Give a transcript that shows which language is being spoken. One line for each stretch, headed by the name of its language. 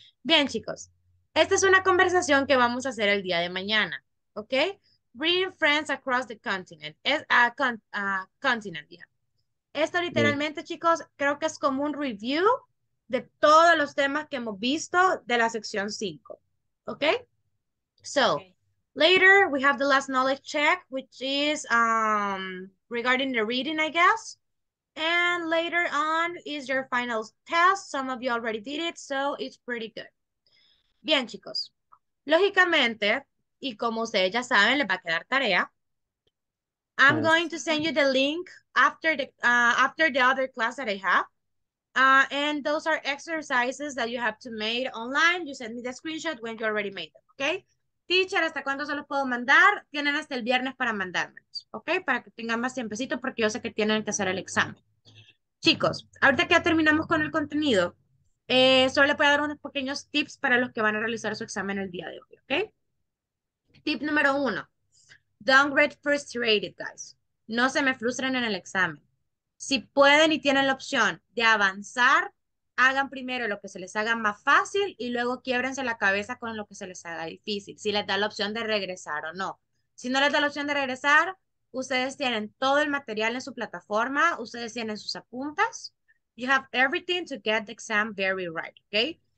Spanish: Bien, chicos. Esta es una conversación que vamos a hacer el día de mañana, ¿ok?
English: bring friends across the continent. Es a continent, yeah.
Spanish: Esto literalmente, yeah, chicos, creo que es como un review de todos los temas que hemos visto de la sección 5.
English: Okay? So, okay, later we have the last knowledge check, which is regarding the reading, I guess. And later on is your final test. Some of you already did it, so it's pretty good.
Spanish: Bien, chicos. Lógicamente, y como ustedes ya saben, les va a quedar tarea.
English: I'm going to send you the link after the other class that I have. And those are exercises that you have to make online. You send me the screenshot when you already made them, okay?
Spanish: Teacher, ¿hasta cuándo se los puedo mandar? Tienen hasta el viernes para mandármelos, okay? Para que tengan más tiempecito, porque yo sé que tienen que hacer el examen. Chicos, ahorita que ya terminamos con el contenido, solo les voy a dar unos pequeños tips para los que van a realizar su examen el día de hoy, okay? Tip número uno.
English: Don't get frustrated, guys.
Spanish: No se me frustren en el examen. Si pueden y tienen la opción de avanzar, hagan primero lo que se les haga más fácil y luego quiébrense la cabeza con lo que se les haga difícil, si les da la opción de regresar o no. Si no les da la opción de regresar, ustedes tienen todo el material en su plataforma, ustedes tienen sus apuntes.
English: You have everything to get the exam very right, okay?